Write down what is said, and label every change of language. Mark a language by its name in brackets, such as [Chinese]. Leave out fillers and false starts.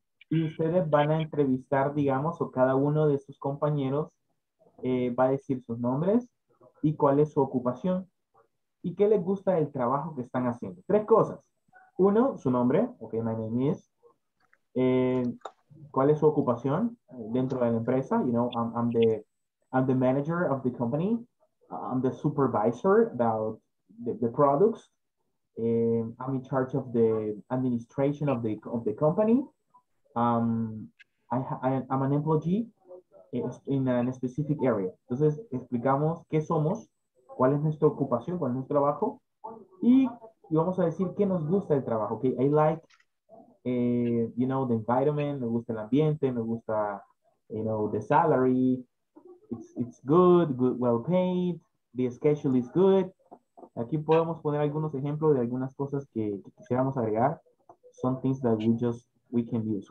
[Spanish] Y ustedes van a entrevistar, digamos, o cada uno de sus compañeros va a decir sus nombres y cuál es su ocupación y qué les gusta del trabajo que están haciendo. 3 cosas. 1, su nombre. [English] Ok, my name is. [Spanish] ¿Cuál es su ocupación dentro de la empresa? [English] You know, I'm the manager of the company. I'm the supervisor about the products. I'm in charge of the administration of the company. I'm an employee in a specific area. [Spanish] Entonces, explicamos qué somos, cuál es nuestra ocupación, cuál es nuestro trabajo, y vamos a decir qué nos gusta del trabajo. [English] Okay, I like, you know, the environment, [Spanish] me gusta el ambiente, me gusta, [English] you know, the salary. It's good, good, well paid. The schedule is good. [Spanish] Aquí podemos poner algunos ejemplos de algunas cosas que quisiéramos agregar. [English] Some things that we just, we can use.